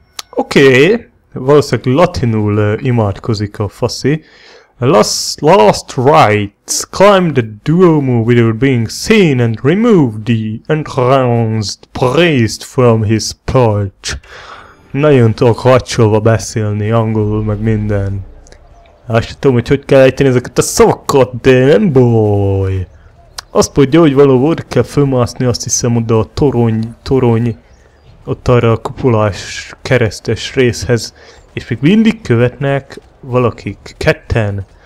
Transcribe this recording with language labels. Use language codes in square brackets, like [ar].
[hu] Oké! Valószínűleg latinul imádkozik a faszi. [en] Last rites. Climb the Duomo without being seen and remove the entranced priest from his perch. [hu] Nagyon tudok hacsolva beszélni, angolul meg minden. Azt tudom, hogy hogy kell ejteni ezeket a szavakat, de nem baj. Azt mondja, hogy valahol kell fölmászni, azt hiszem, oda a torony. Ott arra a kupolás keresztes részhez. És még mindig követnek valakik. Ketten.